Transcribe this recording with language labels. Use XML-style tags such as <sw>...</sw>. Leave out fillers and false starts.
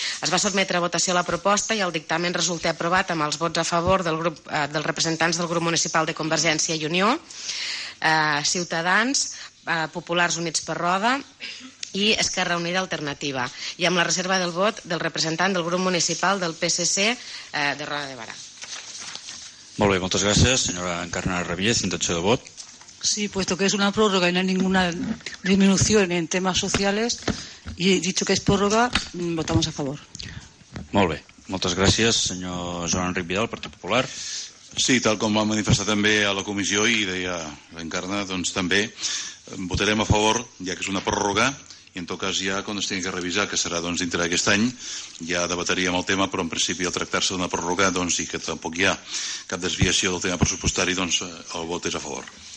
<ca>Es va sotmetre a votació la proposta i el dictamen resulta aprovat amb els vots a favor del grup, dels representants del grup municipal de Convergència i Unió, Ciutadans, Populars Units per Roda i Esquerra Unida Alternativa, i amb la reserva del vot del representant del grup municipal del PSC de Roda de Barà. Molt bé, moltes gràcies, senyora Encarna Rabiez, intenció de vot.</ca> <es>Sí, puesto que es una prórroga y no hay ninguna disminución en temas sociales, y dicho que es prórroga, votamos a favor.</es> <ca>Molt bé. Moltes gràcies, senyor Joan Enric Vidal, Partit Popular. Sí, tal com va manifestar també a la comissió i deia l'Encarna, doncs també votarem a favor, ja que és una pròrroga, i en tot cas ja quan es tingui que revisar, que serà doncs dintre d'aquest any, ja debataríem el tema, però en principi al tractar-se d'una pròrroga, doncs, i que tampoc hi ha cap desviació del tema pressupostari, doncs el vot és a favor.</ca>